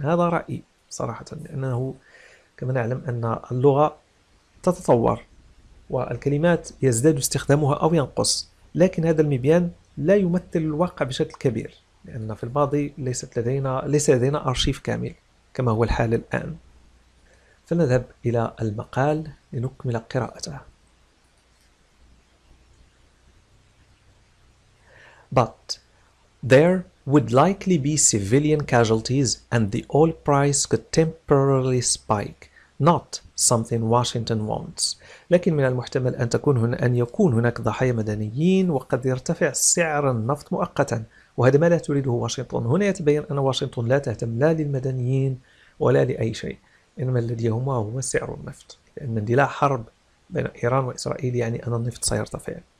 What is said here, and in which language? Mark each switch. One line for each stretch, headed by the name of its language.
Arabic: هذا رأيي صراحة، لأنه كما نعلم أن اللغة تتطور والكلمات يزداد استخدامها أو ينقص، لكن هذا المبيان لا يمثل الواقع بشكل كبير، لأن في الماضي ليس لدينا أرشيف كامل كما هو الحال الآن. فلنذهب إلى المقال لنكمل قراءته.
English: But there would likely be civilian casualties and the oil price could temporarily spike, not something Washington wants.
Arabic: لكن من المحتمل أن تكون هنا أن يكون هناك ضحايا مدنيين، وقد يرتفع سعر النفط مؤقتا، وهذا ما لا تريده واشنطن. هنا يتبين أن واشنطن لا تهتم لا للمدنيين ولا لأي شيء، إنما الذي يهمها هو سعر النفط، لأن اندلاع حرب بين إيران وإسرائيل يعني أن النفط سيرتفع.